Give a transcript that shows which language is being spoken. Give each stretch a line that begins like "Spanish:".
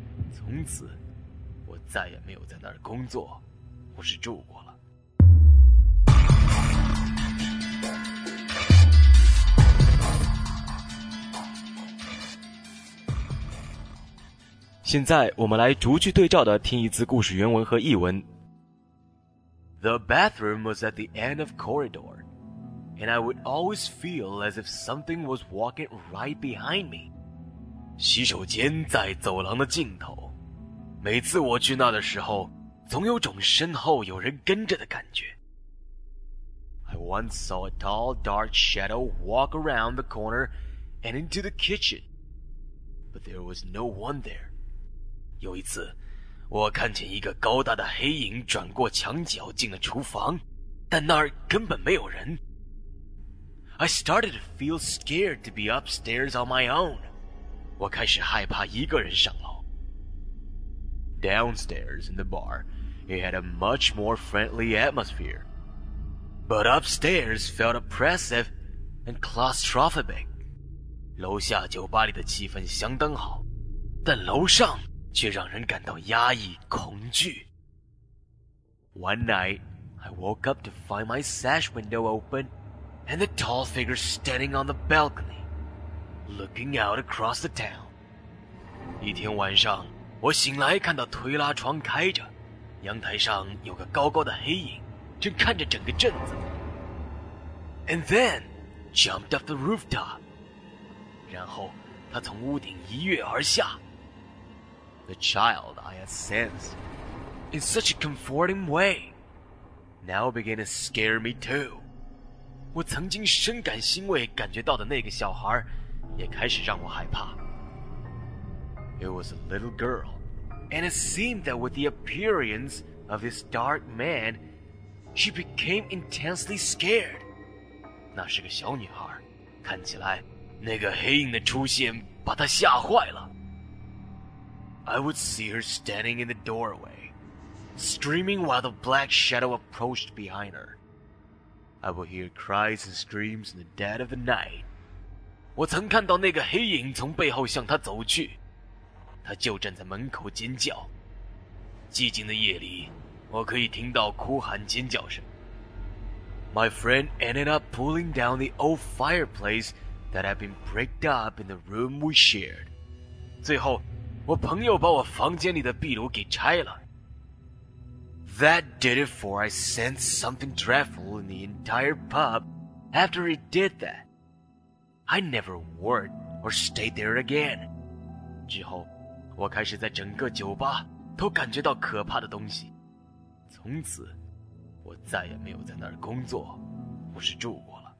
Chinese: 从此，我再也没有在那儿工作或是住过了。现在我们来逐句对照的听一次故事原文和译文。
English: The bathroom was at the end of corridor, and I would always feel as if something was walking right behind me.
Chinese: 洗手间在走廊的尽头，每次我去那的时候，总有种身后有人跟着的感觉。
English: I once saw a tall, dark shadow walk around the corner and into the kitchen, but there was no one there.
Chinese: 有一次，我看见一个高大的黑影转过墙角进了厨房，但那儿根本没有人。
English: I started to feel scared to be upstairs on my own.
Chinese: 我开始害怕一个人上楼。
English: Downstairs in the bar, it had a much more friendly atmosphere. But upstairs felt oppressive and claustrophobic.
Chinese: 楼下酒吧里的气氛相当好，但楼上却让人感到压抑恐惧。
English: One night, I woke up to find my sash window open and the tall figure standing on the balcony, looking out across the town.
Chinese: 一天晚上，我醒来看到推拉窗开着，阳台上有个高高的黑影正看着整个镇子。
English: And then, jumped up the rooftop.
Chinese: 然后，他从屋顶一跃而下。
English: the child I had sensed in such a comforting way now began to scare me too.
Chinese: 我曾经深感欣慰感觉到的那个小孩也开始让我害怕。
English: It was a little girl, and it seemed that with the appearance of this dark man, she became intensely scared.
Chinese: 那是个小女孩，看起来那个黑影的出现把她吓坏了。
English: I would see her standing in the doorway, screaming while the black shadow approached behind her. I would hear cries and screams in the dead of the night.
Chinese: 我曾看到那个黑影从背后向她走去，她就站在门口尖叫。寂静的夜里，我可以听到哭喊尖叫声。
English: My friend ended up pulling down the old fireplace that had been bricked up in the room we shared.
Chinese: 最后我朋友把我房间里的壁炉给拆了。
English: That did it for I sensed something dreadful in the entire pub after he did that. I never worked or stayed there again.
Chinese: 之后我开始在整个酒吧都感觉到可怕的东西。从此我再也没有在那儿工作或是住过。